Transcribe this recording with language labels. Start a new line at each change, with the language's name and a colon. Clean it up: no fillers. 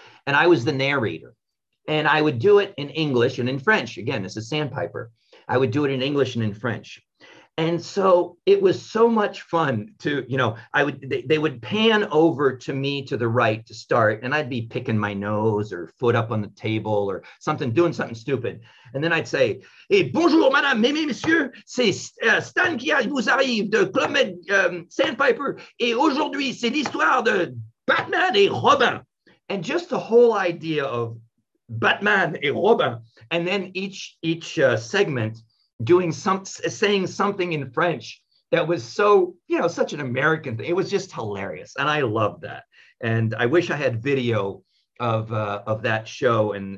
English: And I was the narrator and I would do it in English and in French. Again, this is Sandpiper. I would do it in English and in French. And so it was so much fun to, you know, they would pan over to me to the right to start, and I'd be picking my nose or foot up on the table or something, doing something stupid. And then I'd say, hey,
French: bonjour, madame, mes messieurs, c'est Stan qui vous arrive de Club Med Sandpiper, et aujourd'hui c'est l'histoire de Batman et Robin.
English: And just the whole idea of Batman et Robin, and then each segment doing saying something in French that was so, you know, such an American thing. It was just hilarious. And I loved that. And I wish I had video of that show.